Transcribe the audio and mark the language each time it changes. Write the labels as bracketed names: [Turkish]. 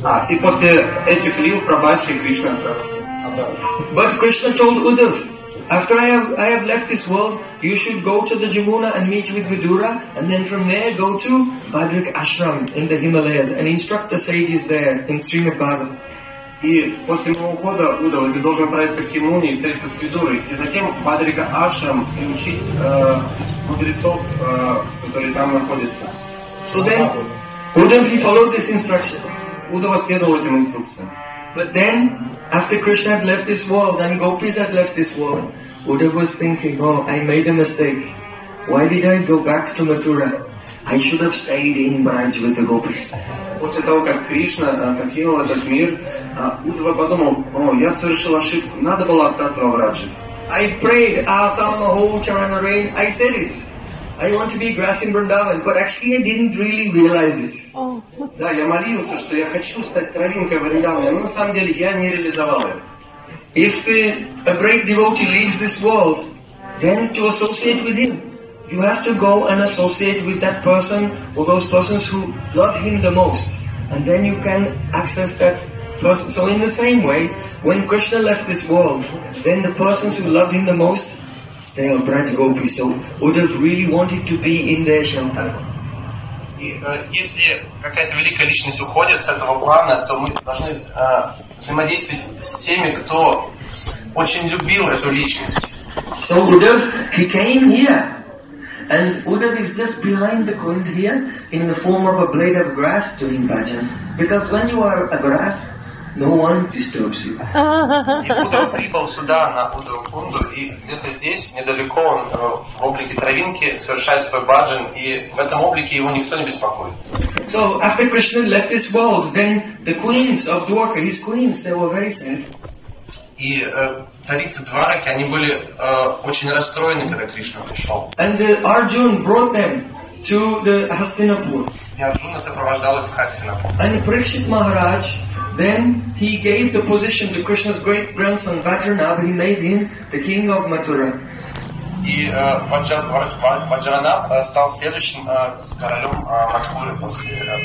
[Russian] И после этих лил в Прабасе Кришна отправился. [English] But Krishna told Uddhav, after I have left this world, you should go to the Jamuna and meet with Vidura, and then from there go to Bhadrak Ashram in the Himalayas and instruct the sages there in Srimad Bhagavatam. [Russian] И после моего ухода, Уддхава, ты должен отправиться к Ямуне и встретиться с Видурой, и затем в Бхадрика Ашрам и учить мудрецов, которые там находятся. [English] So then, Уддхава followed this instruction. [Russian] Уддхава следовал этим инструкциям. [English] But then, after Krishna had left this world and gopis had left this world, Uddhava was thinking, oh, I made a mistake. Why did I go back to Mathura? I should have stayed in Braj with the gopis. [Russian] После того, как Кришна покинул этот мир, Уддхава подумал, о, я совершил ошибку, надо было остаться во Врадже. [English] I prayed, Asama Ho Charana Rain, I said it. I want to be grass in Vrindavan, but actually I didn't really realize it. [Russian] Да, я молился, что я хочу стать травинкой в Вриндаване, но на самом деле я не реализовал это. [English] If a great devotee leaves this world, then to associate with him, you have to go and associate with that person or those persons who love him the most, and then you can access that person. So in the same way, when Krishna left this world, then the persons who loved him the most, they are Braj gopis, so Uddhava really wanted to be in their shelter. [Russian] И если какая-то великая личность уходит с этого плана, то мы должны взаимодействовать с теми, кто очень любил эту личность. [English] So Uddhava, he came here, and Uddhava is just behind the curtain here in the form of a blade of grass doing bhajan. Because when you are a grass, no one disturbs you. [Russian] И Uddhava прибыл сюда на Удхавакунду, и где-то здесь, недалеко, он в облике травинки совершает свой баджан, и в этом облике его никто не беспокоит. [English] So after Krishna left this world, then the queens of Dwarka, his queens, they were very sad. [Russian] И царицы Двараки, они были очень расстроены, когда Кришна пришел. [English] And Arjun brought them to the Hastinapur. [Russian] И Арджуна сопровождал их в Хастинапур. [English] And Parikshit Maharaj, then he gave the position to Krishna's great grandson Vajranabha. He made him the king of Mathura. [Russian] и Ваджранаб стал следующим королем Матхуры после